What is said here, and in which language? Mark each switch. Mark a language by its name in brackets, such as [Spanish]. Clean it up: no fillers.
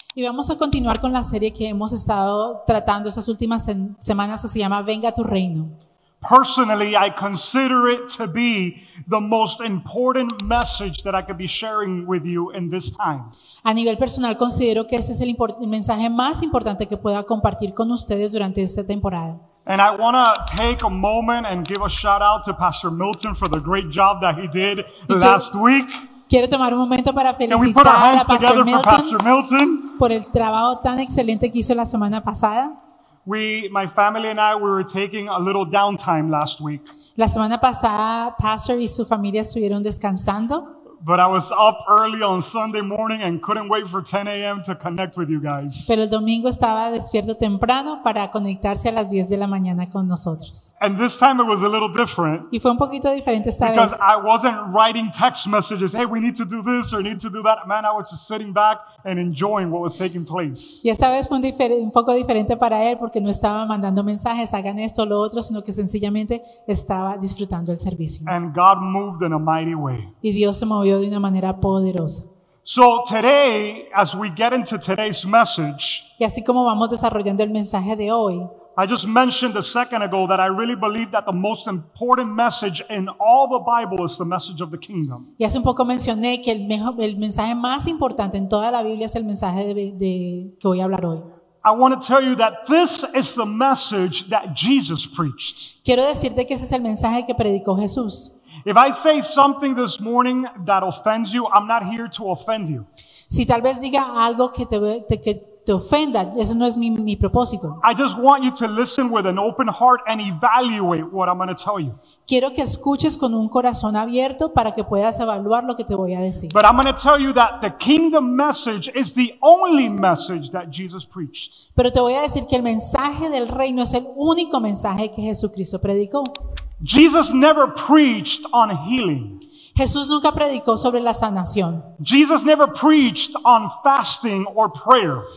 [Spanish] Y vamos a continuar con la serie que hemos estado tratando estas últimas semanas, que se llama Venga tu Reino. [English] Personally, I consider it to be the most important message that I could be sharing with you in this time. [Spanish] A nivel personal, considero que ese es el mensaje más importante que pueda compartir con ustedes durante esta temporada. [English] And I want to take a moment and give a shout out to Pastor Milton for the great job that he did last week. [Spanish] Quiero tomar un momento para felicitar a Pastor Milton por el trabajo tan excelente que hizo la semana pasada. [English] My family and I, we were taking a little downtime last week. [Spanish] La semana pasada, Pastor y su familia estuvieron descansando. [English] But I was up early on Sunday morning and couldn't wait for 10 a.m. to connect with you guys. [Spanish] Pero el domingo estaba despierto temprano para conectarse a las 10 de la mañana con nosotros. [English] And this time it was a little different. [Spanish] Y fue un poquito diferente esta [English] because [Spanish] vez. [English] Because I wasn't writing text messages, hey, we need to do this or need to do that. Man, I was just sitting back and enjoying what was taking place. [Spanish] Y esta vez fue un poco diferente para él porque no estaba mandando mensajes, hagan esto o lo otro, sino que sencillamente estaba disfrutando el servicio. [English] And God moved in a mighty way. [Spanish] Y Dios se movió de una manera poderosa. [English] So today, as we get into today's message, [Spanish] y así como vamos desarrollando el mensaje de hoy, [English] I just mentioned a second ago that I really believe that the most important message in all the Bible is the message of the kingdom. [Spanish] Y hace un poco mencioné que el mensaje más importante en toda la Biblia es el mensaje de que voy a hablar hoy. [English] I want to tell you that this is the message that Jesus preached. [Spanish] Quiero decirte que ese es el mensaje que predicó Jesús. [English] If I say something this morning that offends you, I'm not here to offend you. [Spanish] Si tal vez diga algo que te ofenda, ese no es mi propósito. [English] I just want you to listen with an open heart and evaluate what I'm going to tell you. [Spanish] Quiero que escuches con un corazón abierto para que puedas evaluar lo que te voy a decir. [English] But I'm going to tell you that the kingdom message is the only message that Jesus preached. [Spanish] Pero te voy a decir que el mensaje del reino es el único mensaje que Jesucristo predicó. [English] Jesus never preached on healing. [Spanish] Jesús nunca predicó sobre la sanación. [English] Jesus never preached on fasting or prayer.